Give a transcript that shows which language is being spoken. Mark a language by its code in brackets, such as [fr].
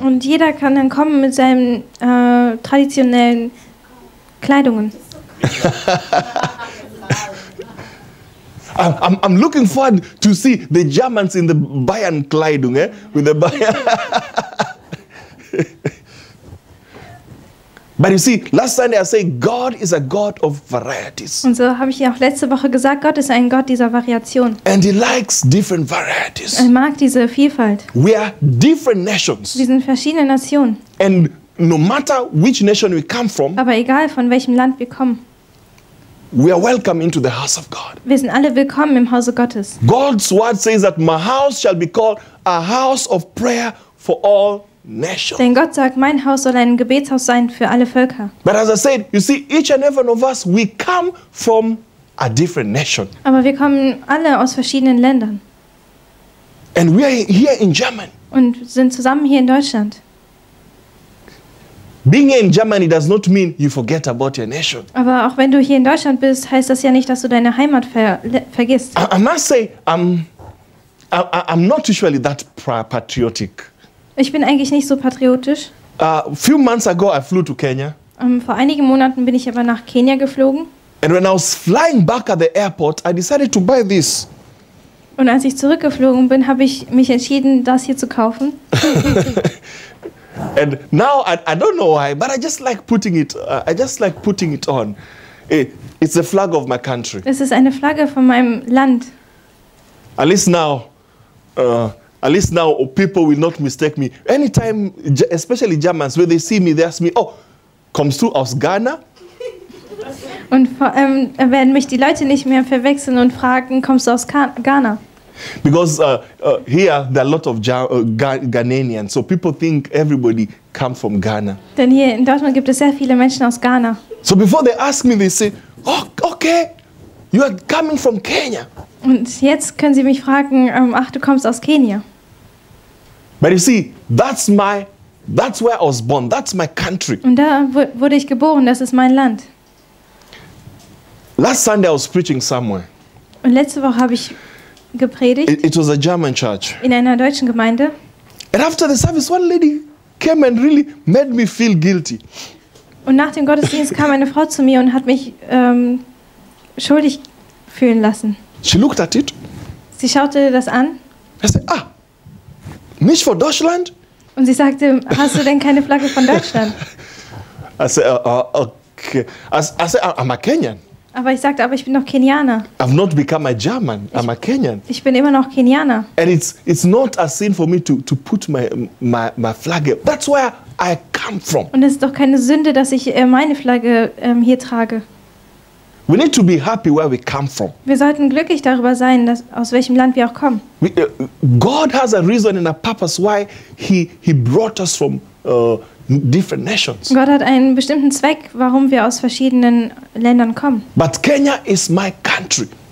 [de] Und jeder kann dann kommen mit seinem traditionellen Kleidungen. [en] I'm looking forward to see the Germans in the Bayern Kleidung, eh? With the Bayern. But you see, last Sunday I said God is a God of varieties. [de] Und so habe ich ja auch letzte Woche gesagt, Gott ist ein Gott dieser Variation. [en] And he likes different varieties. [de] Er mag diese Vielfalt. [en] We are different nations. [de] Wir sind verschiedene Nationen. [en] And no matter which nation we come from. [de] Aber egal von welchem Land wir kommen. [en] We are welcome into the house of God. [de] Wir sind alle willkommen im Hause Gottes. [en] God's word says that my house shall be called a house of prayer for all nations. [de] Denn Gott sagt, mein Haus soll ein Gebetshaus sein für alle Völker. [en] But as I said, you see, each and every one of us, we come from a different nation. [de] Aber wir kommen alle aus verschiedenen Ländern. [en] And we are here in Germany. [de] Und sind zusammen hier in Deutschland. [en] Being in Germany does not mean you forget about your nation. [de] Aber auch wenn du hier in Deutschland bist, heißt das ja nicht, dass du deine Heimat vergisst. [en] I must say, I'm not usually that patriotic. [de] Ich bin eigentlich nicht so patriotisch. [en] A few months ago, I flew to Kenya. [de] Vor einigen Monaten bin ich aber nach Kenia geflogen. [en] And when I was flying back at the airport, I decided to buy this. [de] Und als ich zurückgeflogen bin, habe ich mich entschieden, das hier zu kaufen. [en] And now I don't know why, but I just like putting it. I just like putting it on. It's the flag of my country. [de] Es ist eine Flagge von meinem Land. [en] At least now, people will not mistake me. Anytime, especially Germans, when they see me, they ask me, "Oh, [de] kommst du aus Ghana?" Und vor allem werden mich die Leute nicht mehr verwechseln und fragen, kommst du aus Ghana? [en] Because here there are a lot of Ghanaians, so people think everybody come from Ghana. [de] Denn hier in Deutschland gibt es sehr viele Menschen aus Ghana. [en] So before they ask me, they say, "Oh, okay, you are coming from Kenya." [de] Und jetzt können sie mich fragen, ach, du kommst aus Kenia. [en] But you see, that's my That's where I was born. That's my country. [de] Und da wurde ich geboren. Das ist mein Land. [en] Last Sunday I was preaching somewhere. [de] Und letzte Woche habe ich gepredigt. [en] It was a German church. [de] In einer deutschen Gemeinde. [en] And after the service, one lady came and really made me feel guilty. [de] Und nach dem Gottesdienst kam eine Frau zu mir und hat mich schuldig fühlen lassen. [en] She looked at it. [de] Sie schaute das an. [en] I said, ah, [de] nicht für Deutschland? Und sie sagte, hast du denn keine Flagge von Deutschland? [en] I said, okay. I said, I'm a Kenyan. [de] Aber ich sagte, aber ich bin noch Kenianer. [en] I've not become a German. I'm a Kenyan. [de] Ich bin immer noch Kenianer. [en] And it's not a sin for me to put my flag up. That's where I come from. [de] Und es ist doch keine Sünde, dass ich meine Flagge hier trage. [en] We need to be happy where we come from. [de] Wir sollten glücklich darüber sein, dass, aus welchem Land wir auch kommen. [en] God has a reason and a purpose why he brought us from different nations. [de] Gott hat einen bestimmten Zweck, warum wir aus verschiedenen Ländern kommen. [en] But Kenya is my country.